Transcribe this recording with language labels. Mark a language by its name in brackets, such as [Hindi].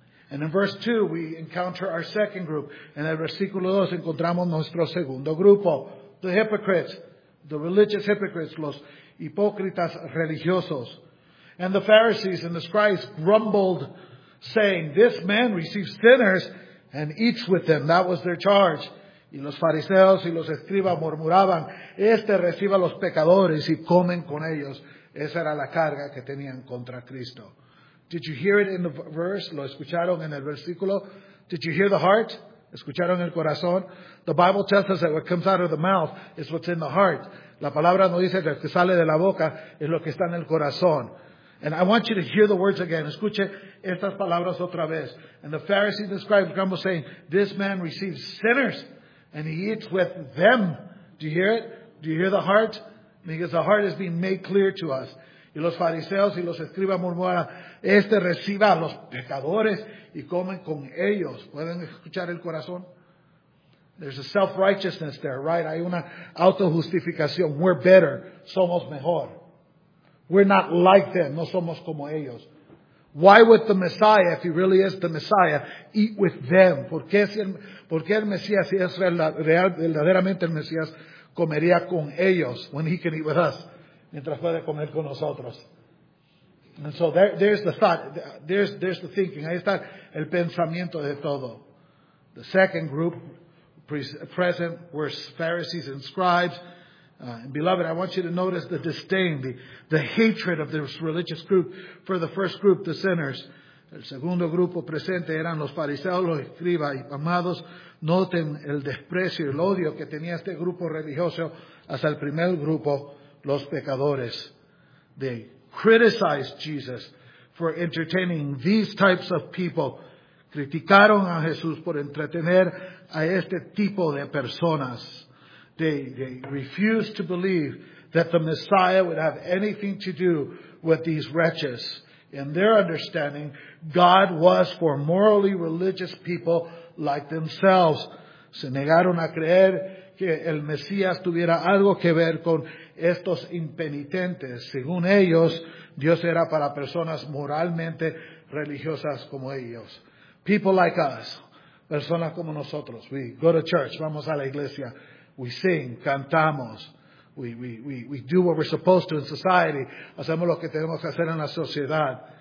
[English] And in verse 2, we encounter our second group. [Spanish] En el versículo 2, encontramos nuestro segundo grupo. [English] The hypocrites, the religious hypocrites, [Spanish] los hipócritas religiosos. [English] And the Pharisees and the scribes grumbled, saying, "This man receives sinners and eats with them." That was their charge. [Spanish] Y los fariseos y los escribas murmuraban, "Este recibe a los pecadores y comen con ellos." Esa era la carga que tenían contra Cristo. [English] Did you hear it in the verse? [Spanish] ¿Lo escucharon en el versículo? [English] Did you hear the heart? [Spanish] ¿Escucharon el corazón? [English] The Bible tells us that what comes out of the mouth is what's in the heart. [Spanish] La palabra nos dice que lo que sale de la boca es lo que está en el corazón. [English] And I want you to hear the words again. [Spanish] Escuche estas palabras otra vez. [English] And the Pharisees described the grumble saying, "This man receives sinners and he eats with them." Do you hear it? Do you hear the heart? Because the heart is being made clear to us. [Spanish] Y los fariseos y los escribas murmuran, "Este recibe a los pecadores y comen con ellos." ¿Pueden escuchar el corazón? [English] There's a self-righteousness there, right? [Spanish] Hay una autojustificación. [English] We're better. [Spanish] Somos mejor. [English] We're not like them. [Spanish] No somos como ellos. [English] Why would the Messiah, if he really is the Messiah, eat with them? [Spanish] ¿Por qué el Mesías, si es verdaderamente el Mesías, comería con ellos [English] when he can eat with us? [Spanish] Mientras puede comer con nosotros. [English] And so there's the thought. There's the thinking. [Spanish] Ahí está el pensamiento de todo. [English] The second group present were Pharisees and scribes. And beloved, I want you to notice the disdain, the hatred of this religious group for the first group, the sinners. [Spanish] El segundo grupo presente eran los fariseos, los escribas y amados. Noten el desprecio y el odio que tenía este grupo religioso hasta el primer grupo, los pecadores. [English] They criticized Jesus for entertaining these types of people. [Spanish] Criticaron a Jesús por entretener a este tipo de personas. [English] They refused to believe that the Messiah would have anything to do with these wretches. In their understanding, God was for morally religious people like themselves. [Spanish] Se negaron a creer que el Mesías tuviera algo que ver con estos impenitentes. Según ellos, Dios era para personas moralmente religiosas como ellos. [English] People like us. [Spanish] Personas como nosotros. [English] We go to church. [Spanish] Vamos a la iglesia. [English] We sing. [Spanish] Cantamos. [English] We do what we're supposed to in society. [Spanish] Hacemos lo que tenemos que hacer en la sociedad.